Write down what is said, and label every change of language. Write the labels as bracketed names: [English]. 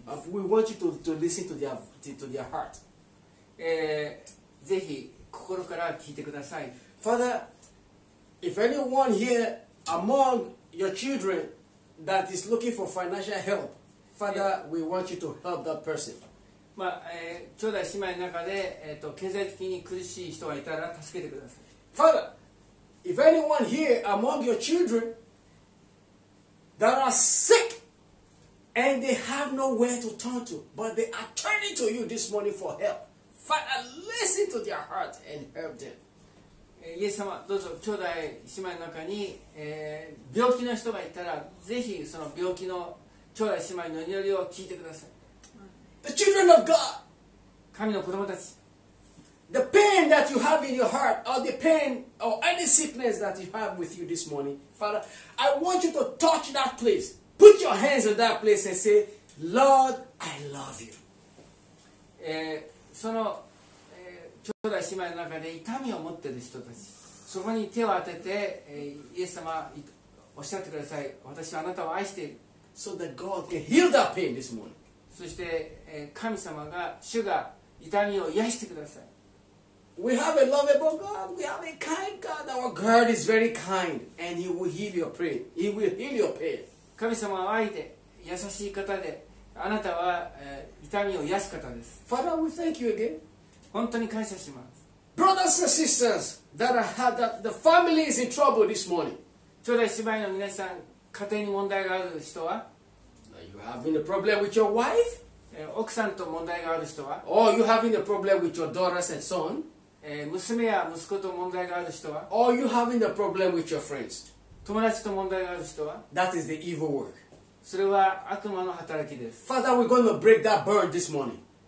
[English] We want you to listen to their heart. [Japanese] ぜひ心から聞いてください。 [English] Father, if anyone here among your children that is looking for financial help, Father, we want you to help that person. [Japanese] まあ兄弟姉妹の中で経済的に苦しい人がいたら助けてください。 [English] Father, if anyone here among your children that are sick and they have nowhere to turn to, but they are turning to you this morning for help, Father, listen to their heart and help them. [Japanese] イエス様、どうぞ兄弟姉妹の中に、病気の人がいたらぜひその病気の兄弟姉妹の祈りを聞いてください。 [English] The children of God. [Japanese] 神の子供たち。 [English] The pain that you have in your heart, or the pain, or any sickness that you have with you this morning, Father, I want you to touch that place. Put your hands on that place and say, Lord, I love you. [Japanese] その、兄弟姉妹の中で痛みを持っている人たち、そこに手を当てて、イエス様、おっしゃってください。私はあなたを愛している。 [English] So that God can heal that pain this morning. [Japanese] そして神様が主が痛みを癒してください。 [English] We have a lovable God. We have a kind God. Our God is very kind, and He will heal your pain. He will heal your pain. [Japanese] 神様は愛で優しい方で、あなたは痛みを癒す方です。 [English] Father, we thank you again. [Japanese] 本当に感謝します。 [English] Brothers and sisters that have the family is in trouble this morning. [Japanese] 兄弟姉妹の皆さん、家庭に問題がある人は。 [English] You having a problem with your wife? [Japanese] 奥さんと問題がある人は? [English] Or you having a problem with your daughters and son? [Japanese] 娘や息子と問題がある人は? [English] Or you having a problem with your friends? [Japanese] 友達と問題がある人は? [English] That is the evil work. [Japanese] それは悪魔の働きです。 [English] Father, we're going to break that bird this morning.